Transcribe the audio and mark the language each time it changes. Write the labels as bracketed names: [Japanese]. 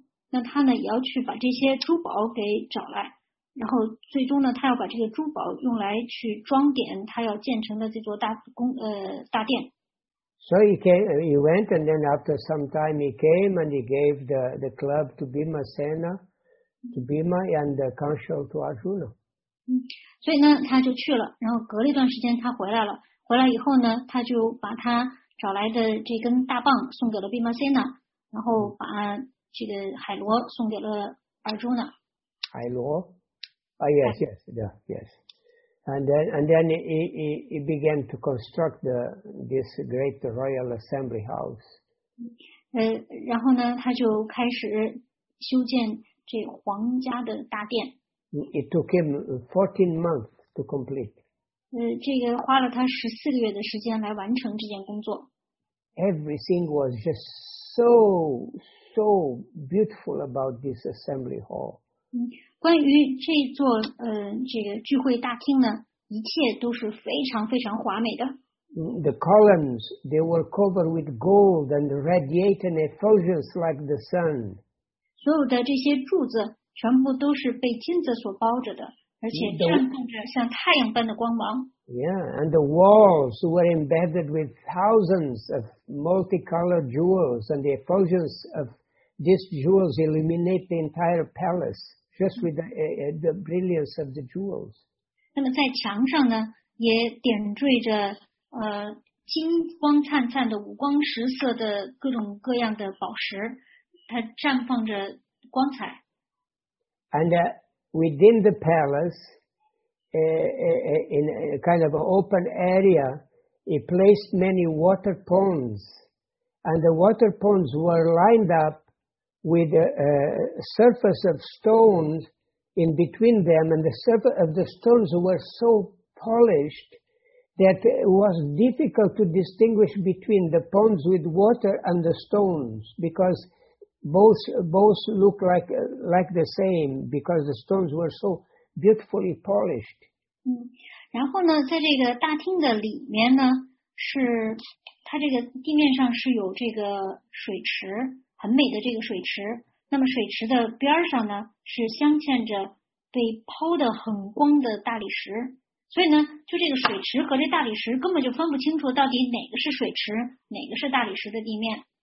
[Chinese] 那他呢也要去把这些珠宝给找来，然后最终呢他要把这个珠宝用来去装点他要建成的这座大殿。 [English] So he came, he went, and then after some time he came and he gave the club to Bhima Sena, to Bhima and the council to Arjuna. [Chinese] 所以呢他就去了，然后隔了一段时间他回来了，回来以后呢他就把他找来的这根大棒送给了 Bhima Sena, 然后把这个海螺送给了 Arjuna. 海螺 Yes. [English] And then he began to construct this great royal assembly house. [Chinese] 然后呢，他就开始修建这皇家的大殿。 [English] It took him 14 months to complete. [Chinese] 这个花了他14个月的时间来完成这件工作。 [English] Everything was just so so beautiful about this assembly hall. [Chinese] 关于这座这个聚会大厅呢，一切都是非常非常华美的。 [English] The columns, they were covered with gold and radiating effulgence like the sun. [Chinese] 所有的这些柱子全部都是被金子所包着的，而且绽放着像太阳般的光芒。 [English] Yeah, and the walls were embedded with thousands of multicolored jewels, and the effulgence of these jewels illuminate the entire palace. Just with the brilliance of the jewels. [Chinese] 那么在墙上呢，也点缀着金光灿灿的五光十色的各种各样的宝石，它绽放着光彩。 [English] And within the palace, in a kind of open area, he placed many water ponds, and the water ponds were lined up. With a surface of stones in between them, and the surface of the stones were so polished that it was difficult to distinguish between the ponds with water and the stones, because both looked like the same, because the stones were so beautifully polished. [Chinese] 然后呢，在这个大厅的里面呢，是它这个地面上是有这个水池。很美的这个水池，那么水池的边上呢是镶嵌着被抛得很光的大理石，所以呢就这个水池和这大理石根本就分不清楚到底哪个是水池哪个是大理石的地面。